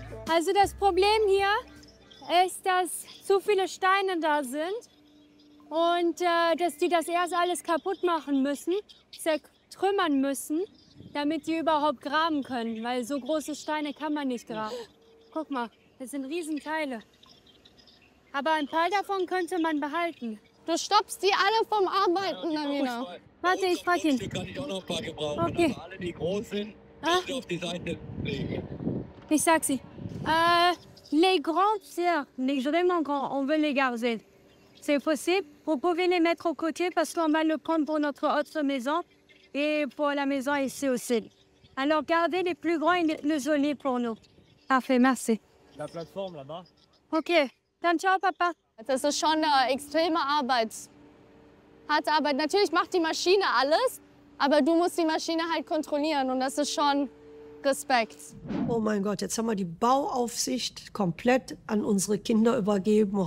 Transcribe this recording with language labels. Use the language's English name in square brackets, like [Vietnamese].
[German] Also das Problem hier ist, dass zu viele Steine da sind und dass die das erst alles kaputt machen müssen, zertrümmern müssen, damit die überhaupt graben können, weil so große Steine kann man nicht graben. Guck mal, das sind Riesenteile. Aber ein paar davon könnte man behalten. Du stoppst die alle vom Arbeiten, Namina. Warte, ich frag ihn. Die kann ich auch noch ein paar gebrauchen. Okay. Aber alle, die groß sind, nicht auf die Seite legen. Ich sag sie. [French] Les grands cerfs, les vraiment grands, on veut les garder. C'est possible. Vous pouvez les mettre au côté parce qu'on va le prendre pour notre autre maison et pour la maison ici aussi. Alors gardez les plus grands et les jolis pour nous. Parfait, merci. La plateforme là-bas. [German] Ok, dann ciao, Papa. Das ist schon eine extreme Arbeit. Harte Arbeit. Natürlich macht die Maschine alles, aber du musst die Maschine halt kontrollieren und das ist schon Respekt. Oh mein Gott, jetzt haben wir die Bauaufsicht komplett an unsere Kinder übergeben.